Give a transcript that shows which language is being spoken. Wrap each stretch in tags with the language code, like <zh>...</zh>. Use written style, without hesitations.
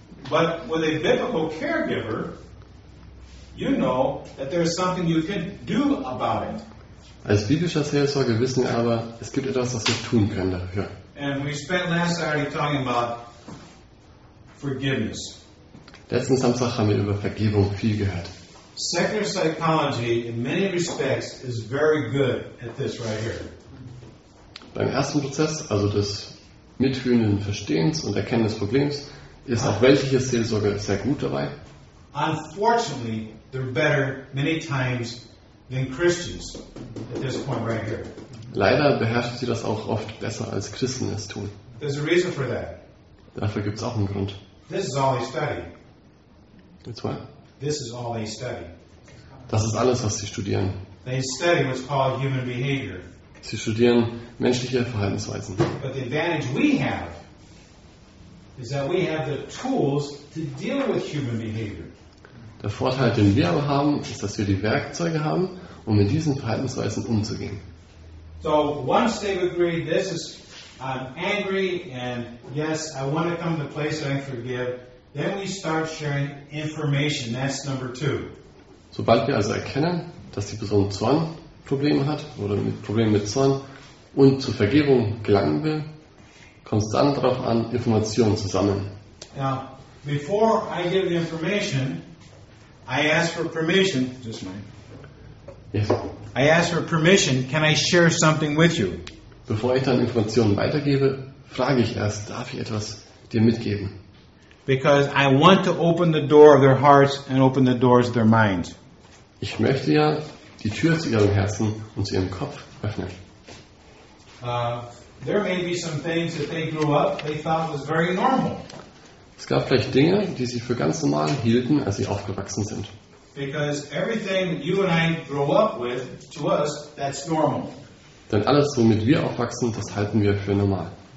<en>But with a biblical caregiver, you know that there is something you can do about it.</en> <de>Als biblischer Seelsorge wissen wir aber, es gibt etwas, was wir tun können dafür.</de> <en>And we spent last Saturday talking about forgiveness.</en> <de>Letzten Samstag haben wir über Vergebung viel gehört.</de> <en>Secular psychology, in many respects, is very good at this right here.</en> <de>Beim ersten Prozess, also des mitfühlenden Verstehens und Erkennen des Problems, ist auch weltliche Seelsorge sehr gut dabei.</de> <en>Unfortunately, they're better many times than Christians at this point right here.</en> <de>Leider beherrschen sie das auch oft besser als Christen es tun.</de> <en>There's a reason for that.</en> <de>Dafür gibt's auch einen Grund.</de> <en>This is all they study. That's why. This is all they study.</en> <de>Das ist alles, was sie studieren.</de> <en>They study what's called human behavior.</en> <de>Sie studieren menschliche Verhaltensweisen.</de> <en>But the advantage we have is that we have the tools to deal with human behavior.</en> <de>Der Vorteil, den wir aber haben, ist, dass wir die Werkzeuge haben, um mit diesen Verhaltensweisen umzugehen.</de> <en>So once they've agreed, this is I'm angry and yes, I want to come to the place that I forgive, then we start sharing information. That's number two.</en> <de>Sobald wir also erkennen, dass die Person Zorn Probleme hat oder mit Problemen mit Zorn und zur Vergebung gelangen will, kommt es dann darauf an, Informationen zu sammeln.</de> <en>Now, before I give the information, I ask for permission. Just a minute. Yes. I ask for permission. Can I share something with you?</en> <de>Bevor ich dann Informationen weitergebe, frage ich erst: Darf ich etwas dir mitgeben?</de> <en>Because I want to open the door of their hearts and open the doors of their minds.</en> <de>Ich möchte ja die Tür zu ihrem Herzen und zu ihrem Kopf öffnen.</de> <en>There may be some things that they grew up they thought was very normal.</en> <de>Es gab vielleicht Dinge, die sie für ganz normal hielten, als sie aufgewachsen sind.</de> <en>Because everything you and I grow up with, to us, that's normal.</en> <de>Denn alles, womit wir aufwachsen, das halten wir für normal.</de>